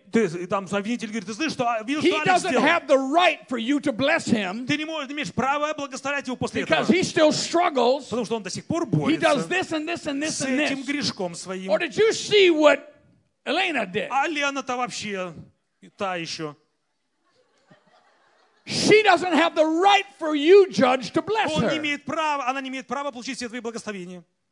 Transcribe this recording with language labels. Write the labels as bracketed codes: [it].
[ru] Ты, и там обвинитель говорит, ты слышишь, что Алекс сделал? [en] He doesn't have the right for you to bless him. [ru] Ты не можешь, не имеешь права благословлять его после этого. [en] Because he still struggles. [ru] Потому что он до сих пор борется. [en] He does this and this and this and this. [ru] С этим грешком своим. [en] Or did you see what Elena did? [ru] А Лена-то вообще та еще. [en] She doesn't have the right for you, judge, to bless her. [ru] Он не имеет права, она не имеет права получить все твои благословения.